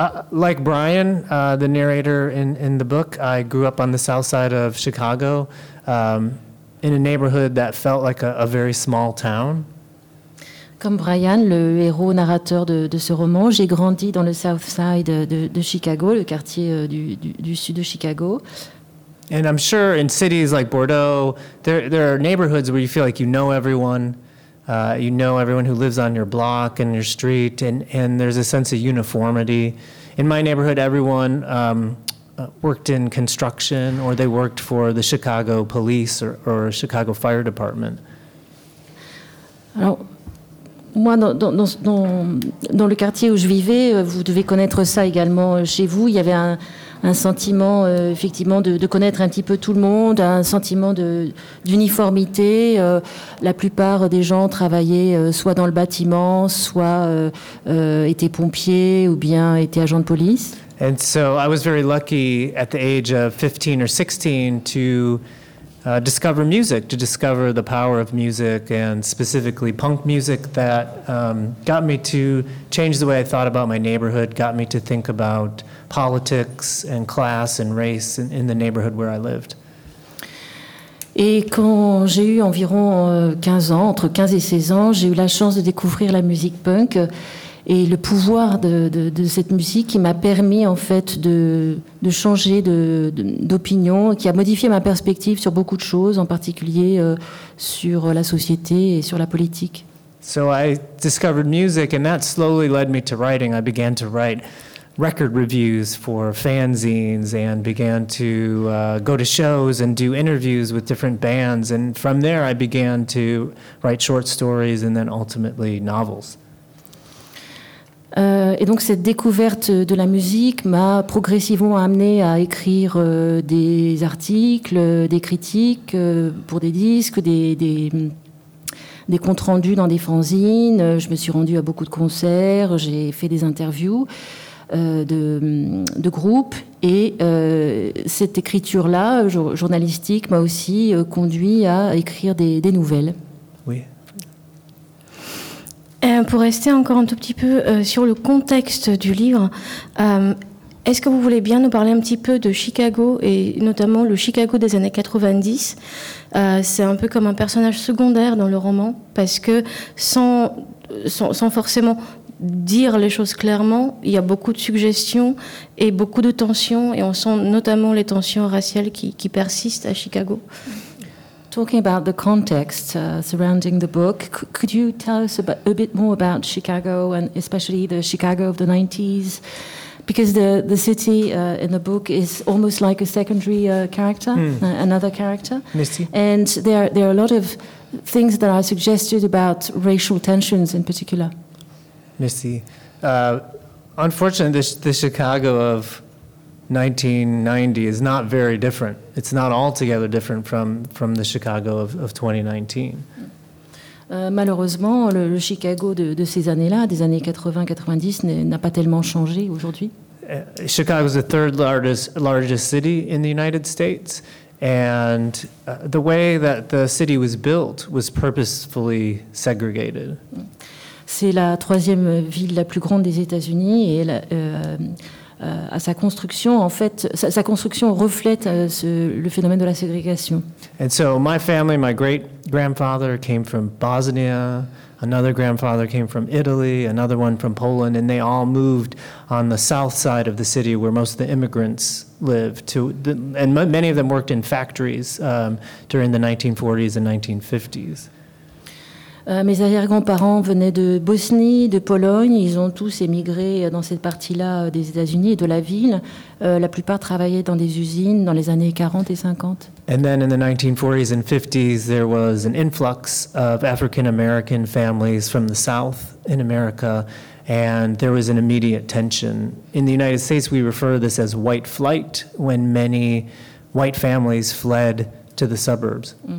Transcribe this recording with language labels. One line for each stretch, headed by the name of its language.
English: Like Brian, the narrator in the book, I grew up on the south side of Chicago in a neighborhood that felt like a very small town.
French: Comme Brian, le héros narrateur de ce roman, j'ai grandi dans le South Side de Chicago, le quartier du sud de Chicago.
English: And I'm sure in cities like Bordeaux, there are neighborhoods where you feel like you know everyone who lives on your block and your street, and there's a sense of uniformity. In my neighborhood, everyone worked in construction or they worked for the Chicago Police or Chicago Fire Department.
French: Alors, moi, dans le quartier où je vivais, vous devez connaître ça également chez vous. Il y avait un sentiment, effectivement, de connaître un petit peu tout le monde, un sentiment d'uniformité. La plupart des gens travaillaient soit dans le bâtiment, soit étaient pompiers ou bien étaient agents de police.
English: And so I was very lucky at the age of 15 or 16 to discover music, to discover the power of music, and specifically punk music that got me to change the way I thought about my neighborhood, got me to think about politics and class and race in the neighborhood where I lived.
French: Et quand j'ai eu environ 15 ans, entre 15 et 16 ans, j'ai eu la chance de découvrir la musique punk et le pouvoir de cette musique qui m'a permis en fait de changer d'opinion, qui a modifié ma perspective sur beaucoup de choses, en particulier sur la société et sur la politique.
English: So I discovered music and that slowly led me to writing. I began to write record reviews for fanzines and began to go to shows and do interviews with different bands, and from there I began to write short stories and then ultimately novels.
French: Et donc cette découverte de la musique m'a progressivement amené à écrire des articles, des critiques pour des disques, des comptes rendus dans des fanzines. Je me suis rendue à beaucoup de concerts, j'ai fait des interviews de groupes. Et cette écriture-là, journalistique, m'a aussi conduit à écrire des nouvelles. Oui. Pour rester encore un tout petit peu sur le contexte du livre, est-ce que vous voulez bien nous parler un petit peu de Chicago, et notamment le Chicago des années 90 ? C'est un peu comme un personnage secondaire dans le roman, parce que sans forcément dire les choses clairement, il y a beaucoup de suggestions et beaucoup de tensions, et on sent notamment les tensions raciales qui persistent à Chicago.
English: Talking about the context surrounding the book, could you tell us a bit more about Chicago, and especially the Chicago of the 90s? Because the city in the book is almost like a secondary character, another character.
French: Merci.
English: And there are a lot of things that are suggested about racial tensions in particular.
French: Merci.
English: Unfortunately, the Chicago of 1990 is not very different. it's not altogether different from the Chicago of 2019.
French: Malheureusement, le Chicago de ces années-là, des années 80-90, n'a pas tellement changé aujourd'hui.
English: Chicago is the third largest city in the United States, and the way that the city was built was purposefully segregated.
French: C'est la troisième ville la plus grande des États-Unis, et la, à sa construction, en fait, sa construction reflète le phénomène de la ségrégation.
English: And so my family, my great grandfather came from Bosnia. Another grandfather came from Italy, another one from Poland, and they all moved on the south side of the city where most of the immigrants lived. Many of them worked in factories during the 1940s and 1950s.
French: Mes arrière-grands-parents venaient de Bosnie, de Pologne. Ils ont tous émigré dans cette partie-là des États-Unis et de la ville. La plupart travaillaient dans des usines dans les années 40 et 50.
English: And then in the 1940s and 50s, there was an influx of African-American families from the South in America, and there was an immediate tension. In the United States, we refer to this as white flight, when many white families fled to the suburbs.